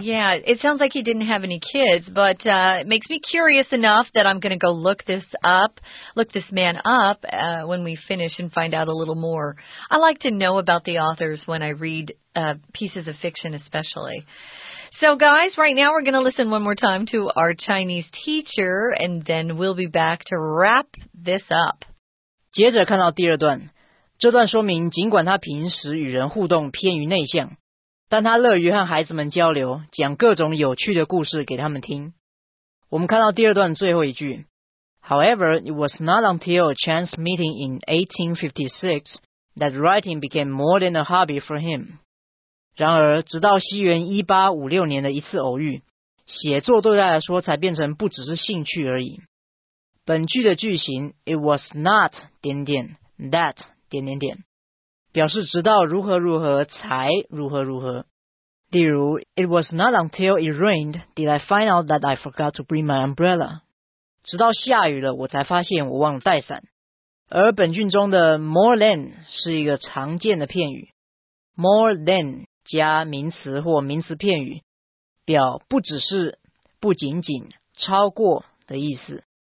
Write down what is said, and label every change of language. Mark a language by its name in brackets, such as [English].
[English] Yeah, it sounds like he didn't have any kids, but it makes me curious enough that I'm going to go look this man up when we finish and find out a little more. I like to know about the authors when I read pieces of fiction especially. So, guys, right now we're going to listen one more time to our Chinese teacher, and then we'll be back to wrap this up. [Chinese] 接着看到第二段，这段说明尽管他平时与人互动偏于内向，但他乐于和孩子们交流，讲各种有趣的故事给他们听。我们看到第二段最后一句 [English] ，However, it was not until a chance meeting in 1856 that writing became more than a hobby for him. [Chinese] 然而，直到西元1856年的一次偶遇，写作对他来说才变成不只是兴趣而已。本句的句型 [English] it was not [Chinese] 点点 that 点点点，表示直到如何如何才如何如何。 [English] 例如 ，It was not until it rained did I find out that I forgot to bring my umbrella。 [Chinese] 直到下雨了，我才发现我忘了带伞。而本句中的 more than 是一个常见的片语 ，more than 加名词或名词片语，表不只是、不仅仅、超过的意思。